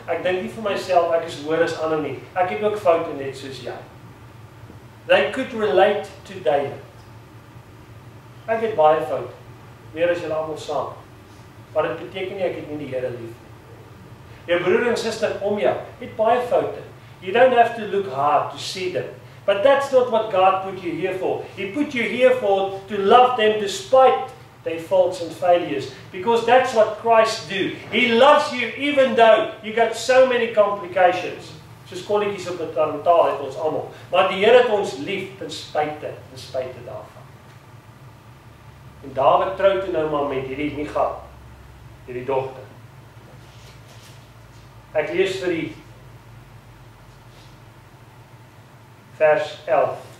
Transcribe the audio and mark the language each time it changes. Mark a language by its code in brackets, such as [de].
[af] Ek dink nie vir myself ek is hoër as ander nie. Ek het ook foute net soos jy. [en] They could relate to David. [af] Ek het baie foute. Meer as julle almal saam. Wat dit beteken nie, ek het nie die Here lief nie. Jou broer en suster om jou het baie foute. [en] You don't have to look hard to see them. But that's not what God put you here for. He put you here for to love them despite their faults and failures. Because that's what Christ do. He loves you even though you got so many complications. [af] Soos konnetjies op 'n tarantaal het ons almal. Maar die Here het ons lief ten spyte daarvan. En David trou toe nou maar met hierdie Michal, hierdie dogter. Ek lees vir die vers 11.